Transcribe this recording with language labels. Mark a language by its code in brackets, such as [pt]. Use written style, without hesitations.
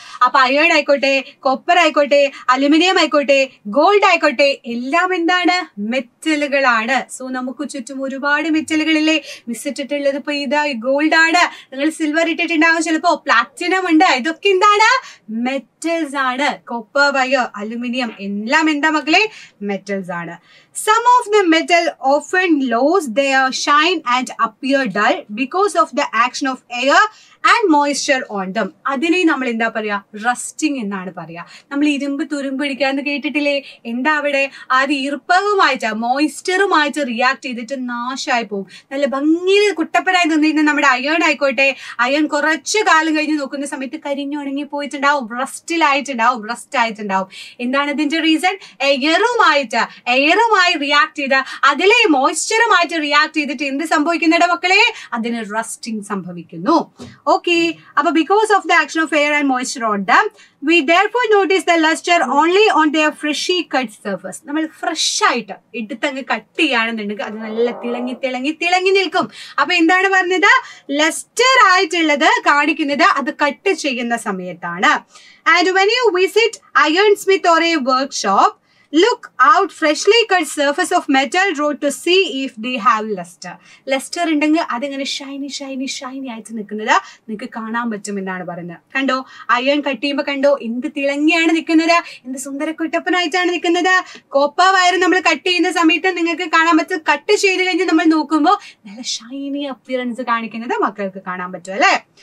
[ml] അപ്പൊ അയൺ ആയിക്കോട്ടെ, കോപ്പർ ആയിക്കോട്ടെ, അലുമിനിയം ആയിക്കോട്ടെ, ഗോൾഡ് ആയിക്കോട്ടെ, എല്ലാം എന്താണ്? മെറ്റലുകളാണ്. സോ നമുക്ക് ചുറ്റും ഒരുപാട് മെറ്റലുകളില്ലേ? മിസ്സിട്ടിട്ടുള്ളത് ഇപ്പൊ ഇതാ ഗോൾഡ് ആണ്, നിങ്ങൾ സിൽവർ ഇട്ടിട്ടുണ്ടാകും, ചിലപ്പോ പ്ലാറ്റിനം ഉണ്ട്. ഇതൊക്കെ എന്താണ്? മെറ്റൽസ് ആണ്. കോപ്പർ, വയോ, അലുമിനിയം, എല്ലാം എന്താ മക്കളെ? മെറ്റൽസ് ആണ്. [en] Some of the metal often lose their shine and appear dull because of the action of air and moisture on them. [ml] അതിനെ നമ്മൾ എന്താ പറയാ? റസ്റ്റിംഗ് എന്നാണ് പറയാ. നമ്മൾ ഇരുമ്പ് തുരുമ്പ് പിടിക്കുക എന്ന് കേട്ടിട്ടില്ലേ? എന്താ അവിടെ അത് ഈർപ്പകമായിട്ട് മോയിസ്ചറുമായിട്ട് റിയാക്ട് ചെയ്തിട്ട് നാശമായി പോകും. നല്ല ഭംഗിയിൽ കുട്ടപ്പനായി നിന്നിരുന്ന നമ്മുടെ അയൺ ആയിക്കോട്ടെ, അയൺ കുറച്ച് കാലം കഴിഞ്ഞ് നോക്കുന്ന സമയത്ത് കരിഞ്ഞു ഉണങ്ങി പോയിട്ടുണ്ടാവും, റസ്റ്റിലായിട്ടുണ്ടാവും, റസ്റ്റ് ആയിട്ടുണ്ടാവും. എന്താണ് ഇതിന്റെ റീസൺ? എയറുമായിട്ട്, എയറുമായി റിയാക്ട് ചെയ്ത് അതിലെ മോയിസ്ചറുമായിട്ട് റിയാക്ട് ചെയ്തിട്ട് എന്ത് സംഭവിക്കുന്നുണ്ട് മക്കളെ? അതിന് റസ്റ്റിംഗ് സംഭവിക്കുന്നു. [en] Okay, but because of the action of air and moisture on them, we therefore notice the luster only on their freshly cut surface. [ml] നമ്മൾ ഫ്രഷ് ആയിട്ട് എടുത്തങ്ങ് കട്ട് ചെയ്യുകയാണെന്നുണ്ടെങ്കിൽ അത് നല്ല തിളങ്ങി തിളങ്ങി തിളങ്ങി നിൽക്കും. അപ്പൊ എന്താണ് പറഞ്ഞത്? ലസ്റ്റർ ആയിട്ടുള്ളത് കാണിക്കുന്നത് അത് കട്ട് ചെയ്യുന്ന സമയത്താണ്. [en] And when you visit iron smith or a workshop, look out freshly cut surface of metal rod to see if they have luster. [ml] Luster ഉണ്ടെങ്കിൽ അതിങ്ങനെ ഷൈനി ഷൈനി ഷൈനി ആയിട്ട് നിൽക്കുന്നത് നിങ്ങൾക്ക് കാണാൻ പറ്റും എന്നാണ് പറയുന്നത്. കണ്ടോ, അയൺ കട്ട് ചെയ്യുമ്പോ കണ്ടോ എന്ത് തിളങ്ങിയാണ് നിൽക്കുന്നത്, എന്ത് സുന്ദര കുട്ടപ്പനായിട്ടാണ് നിൽക്കുന്നത്. കോപ്പ വയർ നമ്മൾ കട്ട് ചെയ്യുന്ന സമയത്ത് നിങ്ങൾക്ക് കാണാൻ പറ്റും, കട്ട് ചെയ്ത് കഴിഞ്ഞ് നമ്മൾ നോക്കുമ്പോ നല്ല ഷൈനി അപ്പിയറൻസ് കാണിക്കുന്നത് മക്കൾക്ക് കാണാൻ പറ്റും അല്ലെ.